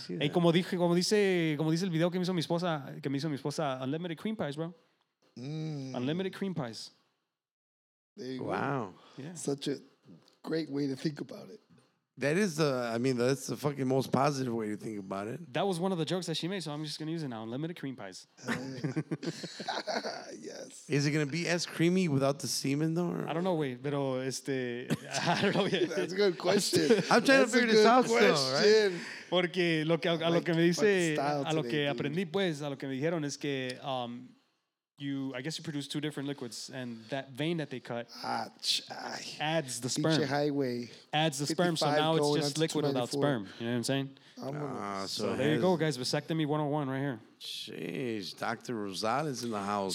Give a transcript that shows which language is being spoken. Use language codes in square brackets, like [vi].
[es] Hey, como dice el video que me hizo mi esposa, [en] unlimited cream pies, bro. Unlimited cream pies. There you go. Wow. Yeah. Such a great way to think about it. That is that's the fucking most positive way to think about it. That was one of the jokes that she made, so I'm just going to use it now. Unlimited cream pies. Yes. Is it going to be as creamy without the semen, though? I don't know, wait. [es] Pero este... [en] I don't know. That's a good question. I'm trying that's to figure this out, question. Still, right? [es] Porque lo que, a lo que me dice... A lo que aprendí, pues, a lo que me dijeron es que... [en] I guess you produce two different liquids, and that vein that they cut adds the sperm. Beach Highway. Adds the sperm, so now it's just liquid without sperm. You know what I'm saying? So there you go, guys. Vasectomy 101 right here. Jeez. Jeez, Dr. Rosales in the house.